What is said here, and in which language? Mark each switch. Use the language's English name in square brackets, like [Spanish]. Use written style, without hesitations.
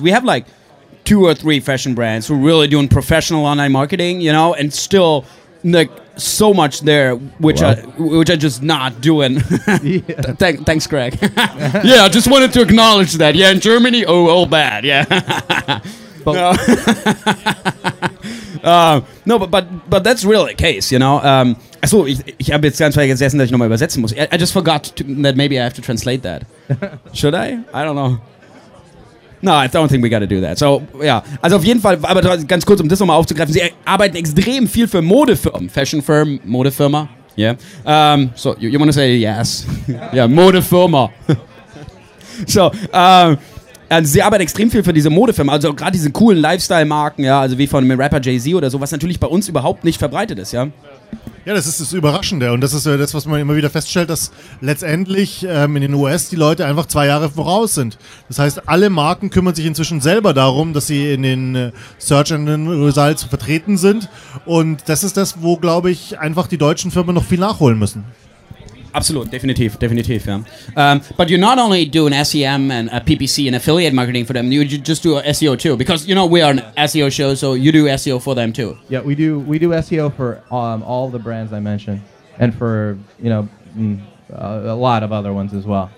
[English] We have two or three fashion brands who are really doing professional online marketing, and still, so much there, which I just not doing. Thanks, Greg. Yeah, I just wanted to acknowledge that. Yeah, in Germany, all bad. Yeah. But that's really the case, [German] Also, ich habe jetzt ganz vergessen, dass ich nochmal übersetzen muss. [English] I just forgot that maybe I have to translate that. Should I? I don't know. No, I don't think we got to do that. So, yeah. [German] Also auf jeden Fall, aber ganz kurz, um das nochmal aufzugreifen, sie arbeiten extrem viel für Modefirmen, Fashion Firm, Modefirma, yeah. [English] So, you want to say yes? Yeah, [German] Modefirma. So, und sie arbeiten extrem viel für diese Modefirmen, also gerade diese coolen Lifestyle-Marken, ja, also wie von dem Rapper Jay-Z oder so, was natürlich bei uns überhaupt nicht verbreitet ist, ja. Ja, das ist das Überraschende und das ist das, was man immer wieder feststellt, dass letztendlich in den US die Leute einfach 2 Jahre voraus sind. Das heißt, alle Marken kümmern sich inzwischen selber darum, dass sie in den Search Engine Results vertreten sind und das ist das, wo, glaube ich, einfach die deutschen Firmen noch viel nachholen müssen. Absolut, definitiv, ja. [English] But you not only do an SEM and a PPC and affiliate marketing for them, you just do SEO too, because, we are an SEO show, so you do SEO for them too. Yeah, we do SEO for all the brands I mentioned, and for, a lot of other ones as well.